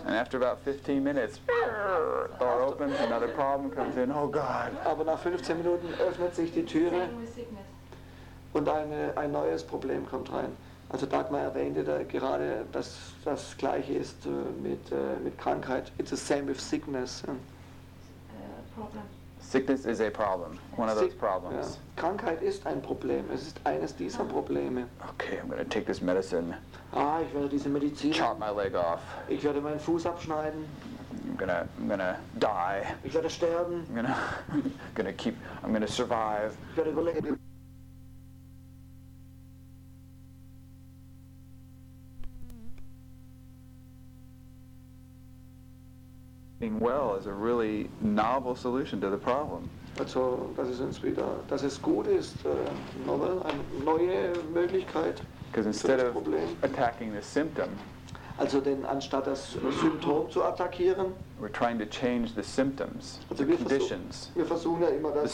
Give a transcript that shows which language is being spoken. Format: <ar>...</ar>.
<en>And after about 15 minutes, door opens, another problem comes in. Oh God.</en> <de>Aber nach 15 Minuten öffnet sich die Türe und ein neues Problem kommt rein. Also Dagmar erwähnte da gerade, dass das gleiche ist mit Krankheit.</de> <en>It's the same with sickness. Problem. Sickness is a problem. One of those problems. Ja.</en> <de>Krankheit ist ein Problem. Es ist eines dieser Probleme.</de> <en>Okay, I'm gonna take this medicine.</en> <de>Ah, ich werde diese Medizin.</de> <en>Chop my leg off.</en> <de>Ich werde meinen Fuß abschneiden.</de> <en>I'm gonna die.</en> <de>Ich werde sterben.</de> <en>I'm gonna survive.</en> <de>Ich werde überleben.</de> <en>Being well is a really novel solution to the problem.</en> <de>Also, das ist uns wieder, dass es gut ist, novel, eine neue Möglichkeit.</de> <en>Because instead of attacking the symptom,</en> <de>also denn anstatt das Symptom zu attackieren,</de> <en>we're trying to change the symptoms,</en> <de>also</de> <en>the conditions,</en> <de>wir versuchen ja immer das</de>